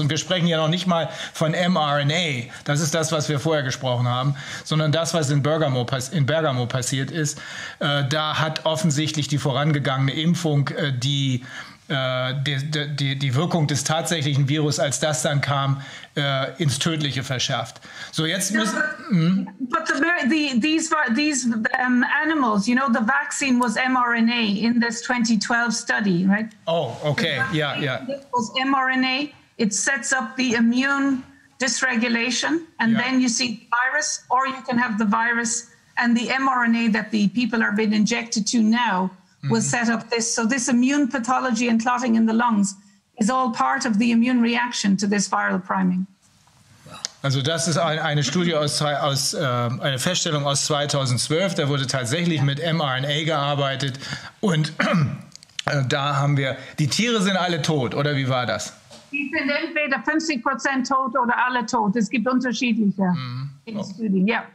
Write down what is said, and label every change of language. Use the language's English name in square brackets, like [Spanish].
[German] Und wir sprechen ja noch nicht mal von mRNA, das ist das, was wir vorher gesprochen haben, sondern das, was in Bergamo passiert ist, da hat offensichtlich die vorangegangene Impfung die Wirkung des tatsächlichen Virus, als das dann kam, ins Tödliche verschärft. So jetzt müssen. [English] But these animals, you know, the vaccine was mRNA in this 2012 study, right? [German] Oh, okay, ja, ja. [English] It was mRNA. It sets up the immune dysregulation, and then you see the virus, or you can have the virus and the mRNA that the people are being injected to now. Will set up this. So this immune pathology and clotting in the lungs is all part of the immune reaction to this viral priming. [German] Also das ist eine Studie eine Feststellung aus 2012. Da wurde tatsächlich mit mRNA gearbeitet und da haben wir, die Tiere sind alle tot, oder wie war das? Die sind entweder 50% tot oder alle tot. Es gibt unterschiedliche Studien. Ja.